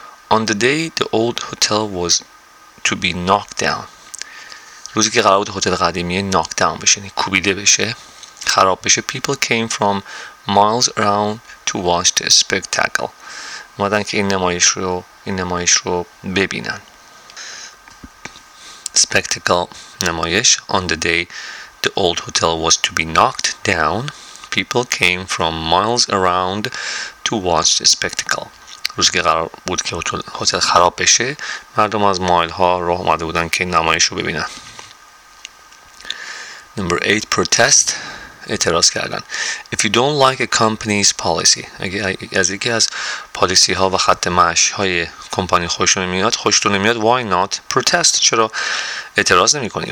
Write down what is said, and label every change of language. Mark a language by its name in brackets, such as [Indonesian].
[English] On the day the old hotel was to be knocked down, [Persian] روزی که قرار بود هتل قدیمی knocked down بشه, یعنی کوبیده بشه, خراب بشه, [English] people came from miles around to watch the spectacle. [Persian] مادن که این نمایش رو ببینن. [English] Spectacle, نمایش. On the day the old hotel was to be knocked down, people came from miles around to watch the spectacle. [Persian] روزی که قرار بود که هتل خراب بشه, مردم از مایل ها راه اومده بودن که نمایش رو ببینن. [English] Number 8, protest, اعتراض کردن. If you don't like a company's policy, [Persian] از یکی از پالیسی ها و خط معاش های کمپانی خوشتون نمیاد, [English] why not protest, [Persian] چرا اعتراض نمی کنی?